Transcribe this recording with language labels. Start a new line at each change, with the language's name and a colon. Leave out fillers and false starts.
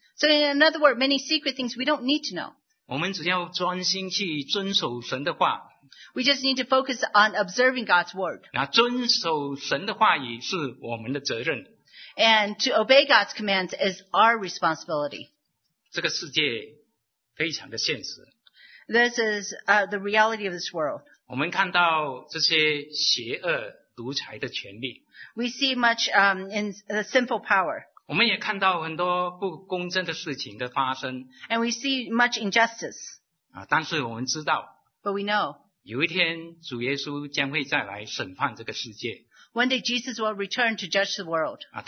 English: So in other words, many secret things we don't need to know.
Chinese: 我们只要专心去遵守神的话,
English: we just need to focus on observing God's word.
Chinese: 遵守神的话语是我们的责任,
English: and to obey God's commands is our responsibility.
Chinese: 这个世界非常的现实.
English: This is the reality of this world.
Chinese: 我们看到这些邪恶独裁的权利,
English: we see much in the sinful power.
Chinese: 我们也看到很多不公正的事情的发生,
English: and we see much injustice.
Chinese: 但是我们知道,
English: but we know,
Chinese: 有一天主耶稣将会再来审判这个世界,
English: one day Jesus will return to judge the world.